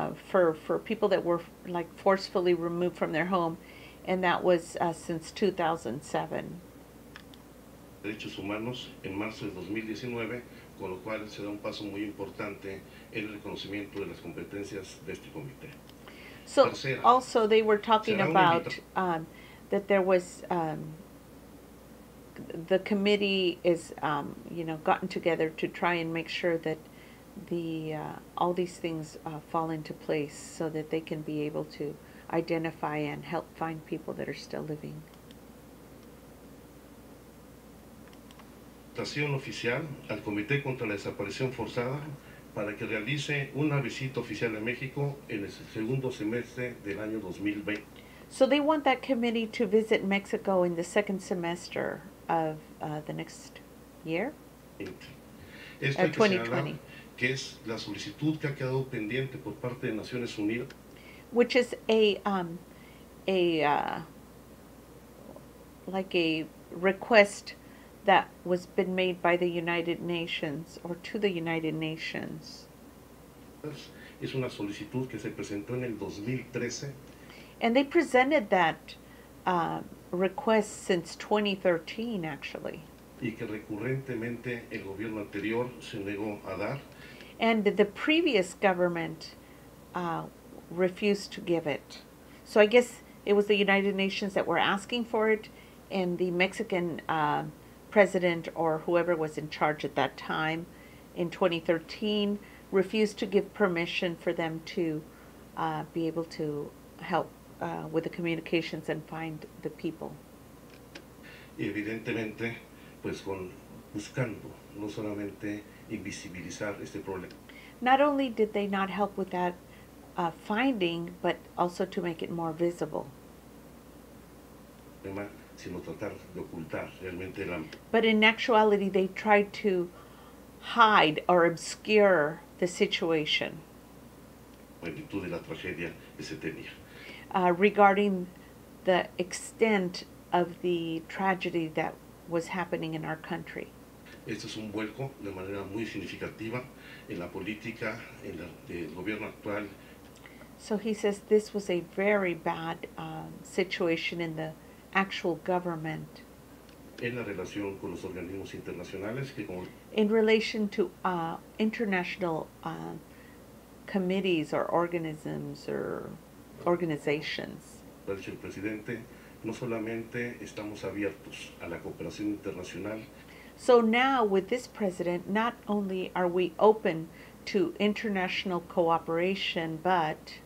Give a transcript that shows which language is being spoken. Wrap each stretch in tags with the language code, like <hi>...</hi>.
<en>for people that were like forcefully removed from their home, and that was since 2007.</en> <es>Derechos humanos en marzo de 2019, con lo cual se da un paso muy importante en el reconocimiento de las competencias de este comité.</es> <en>So also they were talking about that there was the committee is you know, gotten together to try and make sure that the all these things fall into place so that they can be able to identify and help find people that are still living.</en> <es>Invitación oficial al Comité contra la Desaparición Forzada para que realice una visita oficial a México en el segundo semestre del año 2020.</es> <en>So they want that committee to visit Mexico in the second semester of the next year?</en> <es>Esto hay que 2020. Que es la solicitud que ha quedado pendiente por parte de Naciones Unidas.</es> <en>Which is a request that was been made by the United Nations or to the United Nations.</en> <es>Es una solicitud que se presentó en el 2013.</es> <en>And they presented that request since 2013, actually.</en> <es>Y que recurrentemente el gobierno anterior se negó a dar.</es> <en>And the previous government refused to give it. So I guess it was the United Nations that were asking for it, and the Mexican president or whoever was in charge at that time in 2013 refused to give permission for them to be able to help with the communications and find the people.</en> <es>Evidentemente, pues con buscando, no solamente invisibilizar este problema.</es> <en>Not only did they not help with that finding, but also to make it more visible.</en> <es>Sino tratar de ocultar realmente el hambre.</es> <en>But in actuality, they tried to hide or obscure the situation.</en> <es>Magnitud de la tragedia que se tenía.</es> <en>Regarding the extent of the tragedy that was happening in our country.</en> <es>Esto es un vuelco de manera muy significativa en la política en la del gobierno actual.</es> <en>So he says this was a very bad situation in the actual government.</en> <es>En la relación con los organismos internacionales que como</es> <en>in relation to international committees or organisms or organizations.</en> <es>Lo ha dicho el presidente, no solamente estamos abiertos a la cooperación internacional.</es> <en>So now, with this president, not only are we open to international cooperation, but</en>